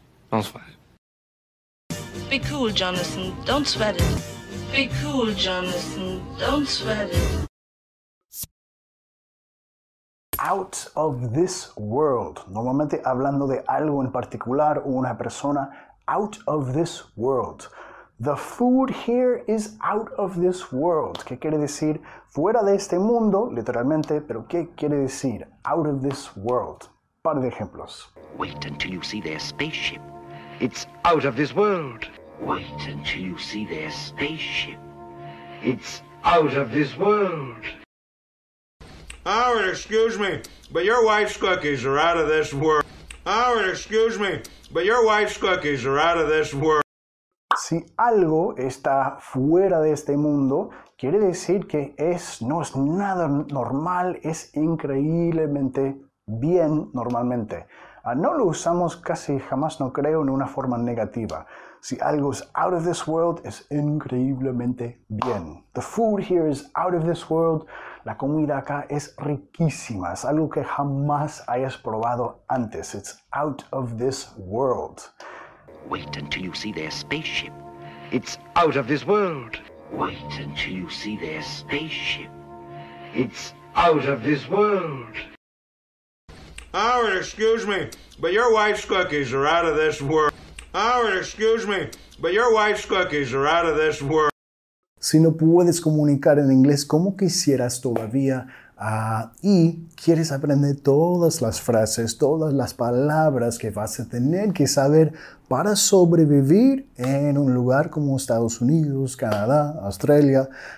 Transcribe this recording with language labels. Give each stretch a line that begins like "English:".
English: Don't sweat it. Be cool, Jonathan. Don't sweat it. Be cool, Jonathan. Don't sweat it. Out of this world.
Spanish: Normalmente hablando de algo en particular o una persona.
English: Out of this world. The food here is out of this world.
Spanish: ¿Qué quiere decir? Fuera de este mundo, literalmente, pero ¿qué quiere decir?
English: Out of this world.
Spanish: Par de ejemplos.
English: Wait until you see their spaceship. It's out of this world. Wait until you see their spaceship. It's out of this world. Howard, excuse me, but your wife's cookies are out of this world. Howard, excuse me, but your wife's cookies are out of this world.
Spanish: Si algo está fuera de este mundo, quiere decir que no es nada normal, es increíblemente bien normalmente. No lo usamos casi jamás, no creo, en una forma negativa. Si algo es
English: out of this world,
Spanish: es increíblemente bien.
English: The food here is out of this world.
Spanish: La comida acá es riquísima. Es algo que jamás hayas probado antes.
English: It's out of this world. Wait until you see their spaceship. It's out of this world. Wait until you see their spaceship. It's out of this world. Howard, excuse me, but your wife's cookies are out of this world. Howard, excuse me, but your wife's cookies are out of this world.
Spanish: Si no puedes comunicar en inglés, ¿cómo quisieras todavía Y quieres aprender todas las frases, todas las palabras que vas a tener que saber para sobrevivir en un lugar como Estados Unidos, Canadá, Australia.